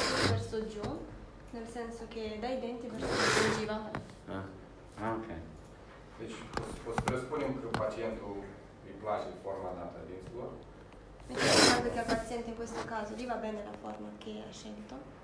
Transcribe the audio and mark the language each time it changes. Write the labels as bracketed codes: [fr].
[it] verso giù, nel senso che dai denti verso la gingiva. Ah, ok. [ro] Deci, o să presupunem că pacientul îi place forma dată dinților, [it] credo che al paziente in questo caso gli va bene la forma che ha scelto.